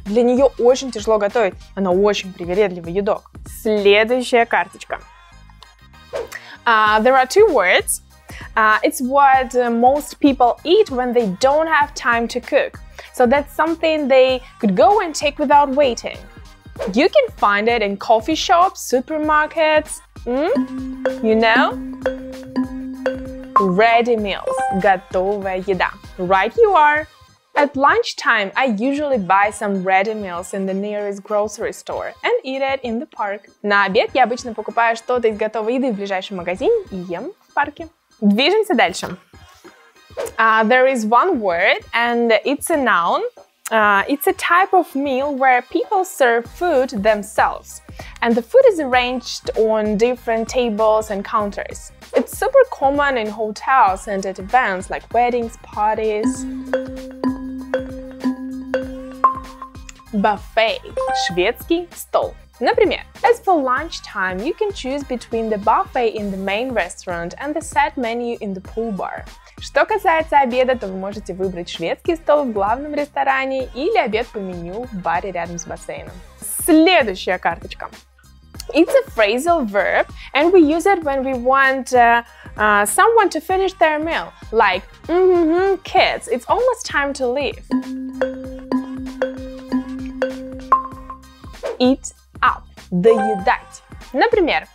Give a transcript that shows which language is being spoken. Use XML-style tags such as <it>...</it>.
<ru>Для нее очень тяжело готовить. Она очень привередливый едок. Следующая карточка.</ru> <en>There are two words. It's what most people eat when they don't have time to cook. So that's something they could go and take without waiting. You can find it in coffee shops, supermarkets, you know? Ready meals.</en> <ru>Готовая еда.</ru> <en>Right you are. At lunchtime, I usually buy some ready meals in the nearest grocery store and eat it in the park.</en> <ru>На обед я обычно покупаю что-то из готовой еды в ближайшем магазине и ем в парке. Движемся дальше.</ru> <en>There is one word, and it's a noun. It's a type of meal where people serve food themselves. And the food is arranged on different tables and counters. It's super common in hotels and at events like weddings, parties.</en> <ru>Buffet. Шведский стол. Например,</ru> <en>as for lunchtime, you can choose between the buffet in the main restaurant and the set menu in the pool bar.</en> <ru>Что касается обеда, то вы можете выбрать шведский стол в главном ресторане или обед по меню в баре рядом с бассейном. Следующая карточка.</ru> <en>It's a phrasal verb, and we use it when we want someone to finish their meal. Like, kids, it's almost time to leave. Eat up.</en> <ru>Доедать. Например,</ru>